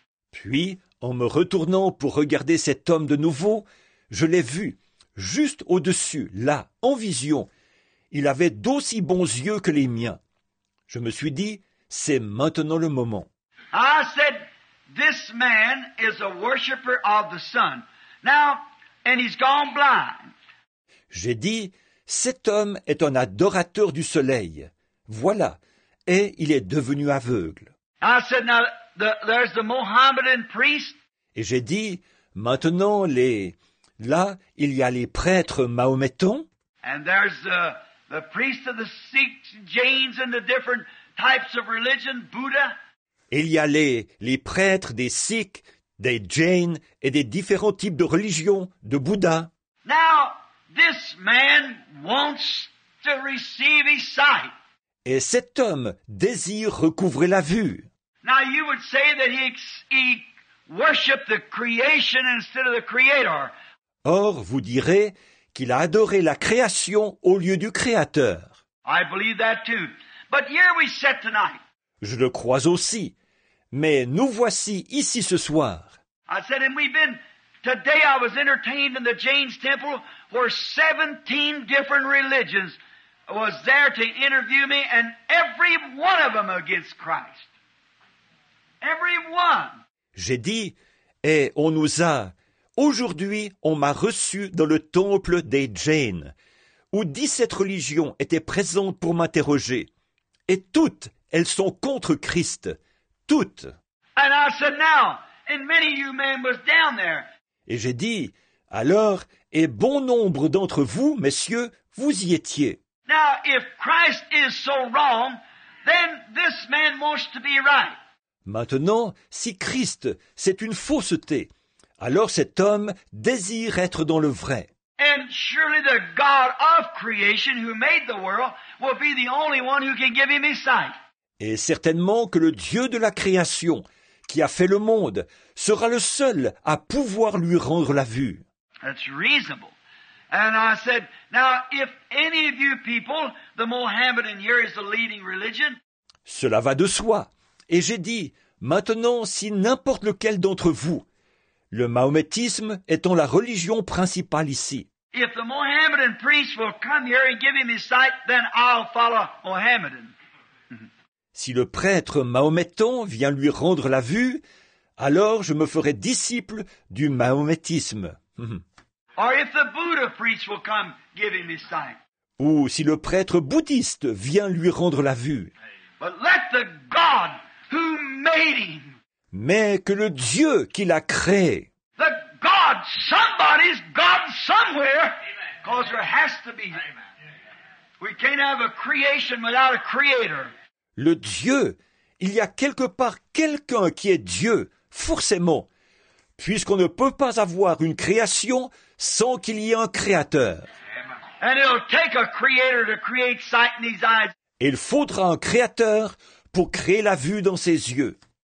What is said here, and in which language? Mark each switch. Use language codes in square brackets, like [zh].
[fr] Puis, en me retournant pour regarder cet homme de nouveau, je l'ai vu, juste au-dessus, là, en vision. Il avait d'aussi bons yeux que les miens. Je me suis dit, c'est maintenant le moment. [en] I said, this man is a worshipper of the sun. Now, and he's gone blind. [fr] J'ai dit, cet homme est un adorateur du soleil. Voilà, et il est devenu aveugle. [en] I said, now, there's the Mohammedan priest. [fr] Et j'ai dit, maintenant, il y a les prêtres mahométans. [en] And there's the priest of the Sikhs, Jains, and the different types of religion, Buddha. [fr] Il y a les prêtres des Sikhs, des Jains et des différents types de religions, de Bouddha. [en] Now, this man wants to receive his sight. [fr] Et cet homme désire recouvrer la vue. [en] Now, you would say that he worshipped the creation instead of the creator. [fr] Or, vous direz qu'il a adoré la création au lieu du créateur. [en] I believe that too. But here we sit tonight. [fr] Je le crois aussi. Mais nous voici ici ce soir. [en] I said, and we've been, today I was entertained in the Jains temple where 17 different religions was there to interview me and every one of them against Christ. Every one. [fr] J'ai dit, et on nous a, aujourd'hui on m'a reçu dans le temple des Jains où 17 religions étaient présentes pour m'interroger. Et toutes, elles sont contre Christ. Toutes. [en] And I said, now, and many of you men was down there. [fr] Et j'ai dit, alors, et bon nombre d'entre vous, messieurs, vous y étiez. [en] Now, if Christ is so wrong, then this man wants to be right. [fr] Maintenant, si Christ, c'est une fausseté, alors cet homme désire être dans le vrai. [en] And surely the God of creation who made the world will be the only one who can give him his sight. [fr] Et certainement que le Dieu de la création, qui a fait le monde, sera le seul à pouvoir lui rendre la vue. [en] That's reasonable. And I said, now, if any of you people, the Mohammedan here is the leading religion. [fr] Cela va de soi. Et j'ai dit, maintenant, si n'importe lequel d'entre vous, le mahométisme étant la religion principale ici. [en] If the Mohammedan priest will come here and give him his sight, then I'll follow Mohammedan. [fr] Si le prêtre mahométan vient lui rendre la vue, alors je me ferai disciple du mahométisme. [en] Or if the Buddha priest will come give him his sight. [fr] Ou si le prêtre bouddhiste vient lui rendre la vue. [en] But let the God who made him. [fr] Mais que le Dieu qui l'a créé. [en] The God, somebody's God somewhere. Because there has to be. Amen. We can't have a creation without a creator. [fr] Le Dieu, il y a quelque part quelqu'un qui est Dieu, forcément, puisqu'on ne peut pas avoir une création sans qu'il y ait un créateur. [en] And it'll take a creator to create sight in his eyes. [fr] Il faudra un créateur pour créer la vue dans ses yeux.